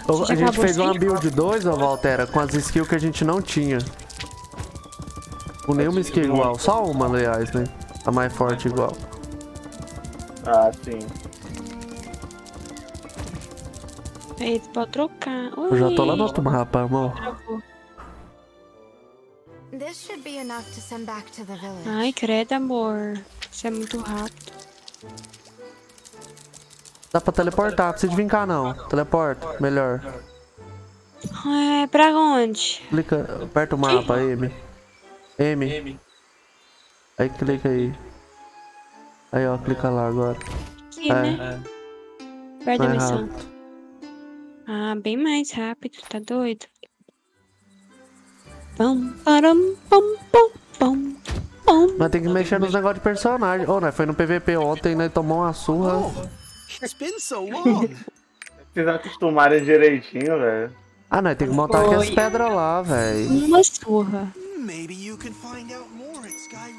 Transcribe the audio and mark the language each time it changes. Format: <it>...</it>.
<pt>A gente fez uma build 2, ó, Valtera, com as skills que a gente não tinha. Com nenhuma skill igual, só uma, aliás, né? A mais forte igual. Ah, sim. Aí, tu pode trocar. Eu já tô lá no outro mapa, amor.</pt> <en>This should be enough to send back to the village.</en> <pt>Ai, credo, amor. Isso é muito rápido. Dá pra teleportar, não precisa de vir cá não. Teleporta, melhor. É, pra onde? Clica, aperta o mapa, que? M. M. Aí clica aí. Aí ó, clica lá agora. Aqui, é. Né? É. Perde a missão. Ah, bem mais rápido, tá doido? Pum, param, pum, pum, pum, pum. Mas tem que mexer nos negócios de personagem. Oh, né? Foi no PVP ontem, né? Tomou uma surra. Vocês acostumaram direitinho, velho. Ah, não, tem que montar aqui as pedras lá, velho. Uma surra.</pt> <en>Maybe you can find out more at Sky</en>